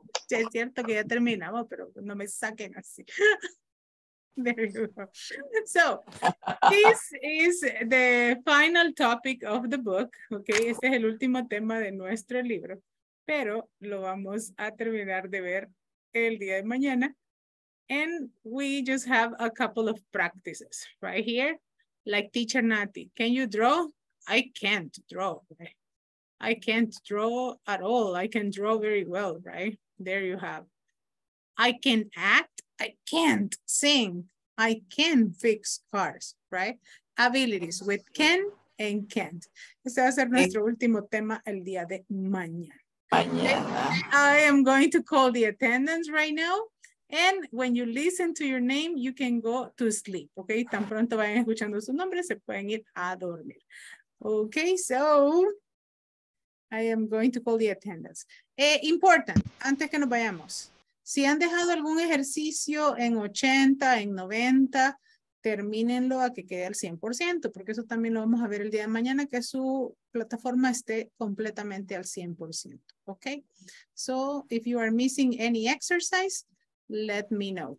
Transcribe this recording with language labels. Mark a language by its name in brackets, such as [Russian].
[Spanish] Sí, es cierto que ya terminamos, pero no me saquen así. [English] There you go. So, this is the final topic of the book, okay? [Spanish] Este es el último tema de nuestro libro, pero lo vamos a terminar de ver el día de mañana. [English] And we just have a couple of practices right here. Like teacher Nati, can you draw? I can't draw. Right? I can't draw at all. I can draw very well, right? There you have. I can act. I can't sing, I can fix cars, right? Abilities with can and can't. [Spanish] Este va a ser nuestro último tema el día de mañana. [English] I am going to call the attendance right now. And when you listen to your name, you can go to sleep, okay? [Spanish] Tan pronto vayan escuchando su nombre, se pueden ir a dormir. [English] Okay, so I am going to call the attendance. [Spanish] Important, antes que nos vayamos. Si han dejado algún ejercicio en 80, en 90, termínenlo a que quede al 100%, porque eso también lo vamos a ver el día de mañana, que su plataforma esté completamente al 100%, ¿ok? [English] So, if you are missing any exercise, let me know.